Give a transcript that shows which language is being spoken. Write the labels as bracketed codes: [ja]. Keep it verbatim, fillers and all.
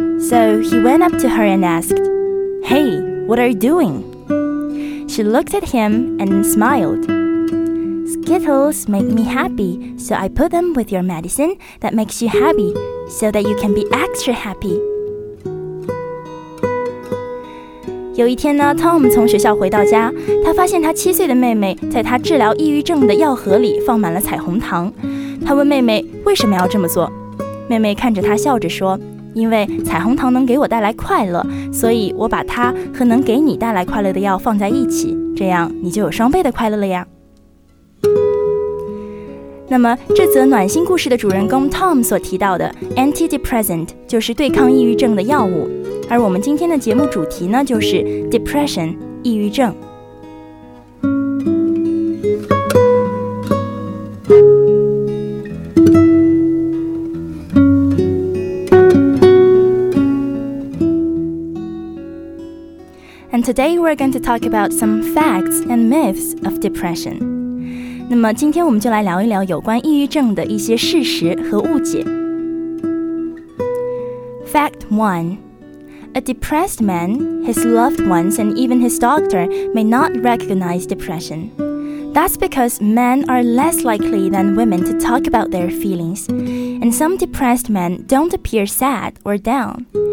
[en] So he went up to her and asked, "Hey, what are you doing?" She looked at him and smiled. "Skittles make me happy, so I put them with your medicine that makes you happy, so that you can be extra happy. [zh] 有一天呢 Tom 从学校回到家，他发现他七岁的妹妹在他治疗抑郁症的药盒里放满了彩虹糖。他问妹妹为什么要这么做，妹妹看着他笑着说，因为彩虹糖能给我带来快乐，所以我把它和能给你带来快乐的药放在一起，这样你就有双倍的快乐了呀。那么这则暖心故事的主人公 Tom 所提到的 antidepressant 就是对抗抑郁症的药物，而我们今天的节目主题呢，就是 depression 抑郁症。 [en] And today we're going to talk about some facts and myths of depression. [zh] 那么今天我们就来聊一聊有关抑郁症的一些事实和误解。 [en] Fact one. A depressed man, his loved ones, and even his doctor may not recognize depression. That's because men are less likely than women to talk about their feelings, and some depressed men don't appear sad or down.